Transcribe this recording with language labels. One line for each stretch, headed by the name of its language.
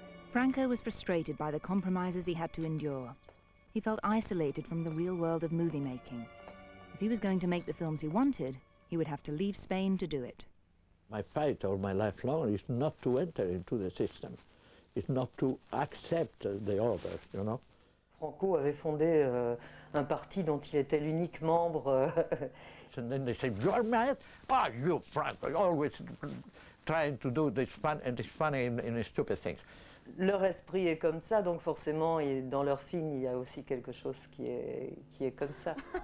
English: Franco was frustrated by the compromises he had to endure. He felt isolated from the real world of movie making. If he was going to make the films he wanted, he would have to leave Spain to do it. My fight all my life long is not to enter into the system. It's not to accept the order, you know.
French: Franco avait fondé un parti dont il était l'unique membre.
English: And then they say, you're mad? Ah, you, Franco, you're always trying to do this fun and this funny and stupid things.
French: Leur esprit est comme ça, donc forcément, dans leur film, il y a aussi quelque chose qui est comme ça.